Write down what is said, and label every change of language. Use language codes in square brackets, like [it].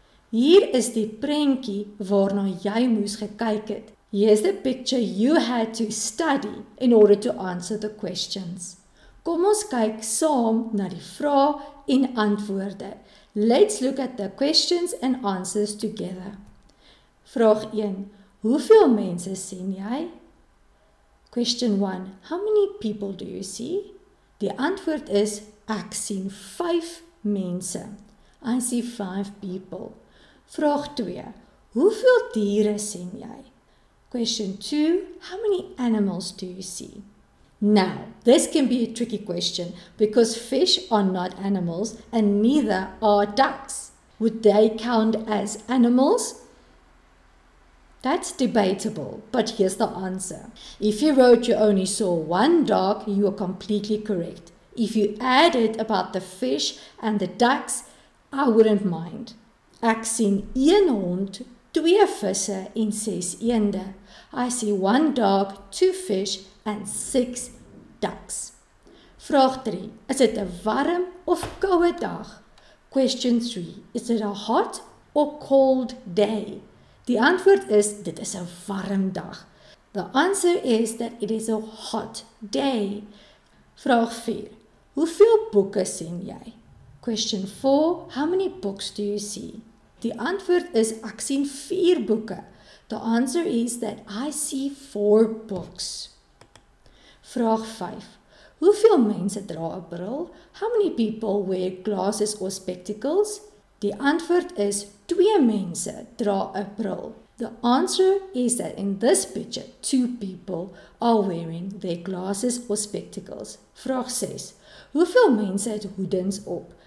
[af] Hier is die prentjie waarna jy moes gekyk het. [en] Here's the picture you had to study in order to answer the questions. [af] Kom ons kyk saam na die vrae en antwoorde. [en] Let's look at the questions and answers together. [af] Vraag 1. Hoeveel mense sien jy? [en] Question 1. How many people do you see? [af] Die antwoord is, ek sien 5 mense. [en] I see 5 people. [af] Vraag 2. Hoeveel diere sien jy? [en] Question 2. How many animals do you see? Now, this can be a tricky question because fish are not animals and neither are ducks. Would they count as animals? That's debatable, but here's the answer. If you wrote you only saw one duck, you are completely correct. If you added about the fish and the ducks, I wouldn't mind. [af] Ek sien een hond, 2 visse en 6 eende. [en] I see one dog, 2 fish and 6 ducks. [af] Vraag 3. Is dit 'n warm of koue dag? [en] Question 3. Is it a hot or cold day? [af] Die antwoord is, dit is 'n warm dag. [en] The answer is that it is a hot day. [af] Vraag 4. Hoeveel boeke sien jy? [en] Question 4. How many books do you see? [af] Die antwoord is, ek sien 4 boeke. [en] The answer is that I see 4 books. [af] Vraag 5. Hoeveel mense dra 'n bril? [en] How many people wear glasses or spectacles? [af] Die antwoord is, 2 mense dra 'n bril. [en] The answer is that in this picture, 2 people are wearing their glasses or spectacles. [af] Vraag 6. Hoeveel mense het hoedens op?